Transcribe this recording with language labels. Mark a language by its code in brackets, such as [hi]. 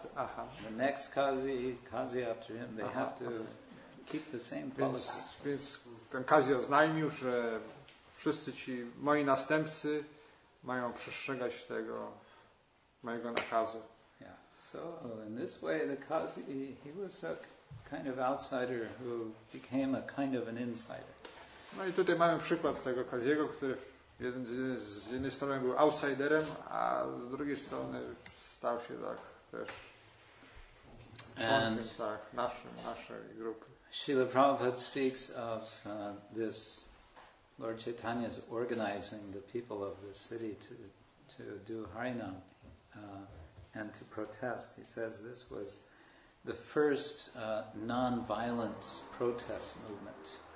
[en] the next Kazi after him, they have to keep the same policy. [pl] Więc ten Kazi oznajmił, że wszyscy ci moi następcy mają przestrzegać tego mojego nakazu. [en] So in this way, the Kazi, he was a kind of outsider who became a kind of an insider. [pl] No i tutaj mamy przykład tego Kaziego, który z jednej strony był outsiderem, a z drugiej strony stał się tak też członkiem, tak, naszej grupy. [en] Srila Prabhupada speaks of this Lord Chaitanya's organizing the people of the city to do Harinam. And to protest, he says this was the first non-violent protest movement.